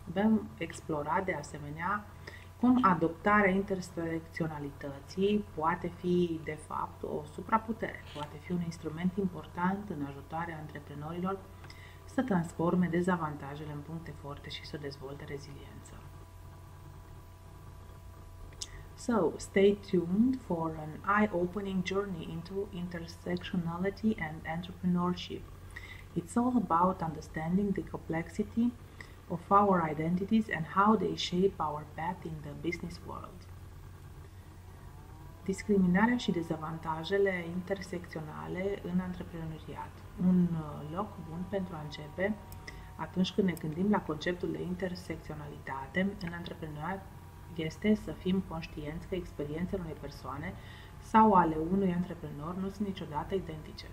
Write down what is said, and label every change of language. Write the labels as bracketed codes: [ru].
[ro] Vom explora de asemenea cum adoptarea intersecționalității poate fi, de fapt, o supraputere, poate fi un instrument important în ajutarea antreprenorilor să transforme dezavantajele în puncte forte și să dezvolte reziliență. [en] So, stay tuned for an eye-opening journey into intersectionality and entrepreneurship. It's all about understanding the complexity of our identities and how they shape our path in the business world. [ro] Discriminarea și dezavantajele intersecționale în antreprenoriat. Un loc bun pentru a începe atunci când ne gândim la conceptul de intersecționalitate în antreprenoriat este să fim conștienți că experiențele unei persoane sau ale unui antreprenor nu sunt niciodată identice.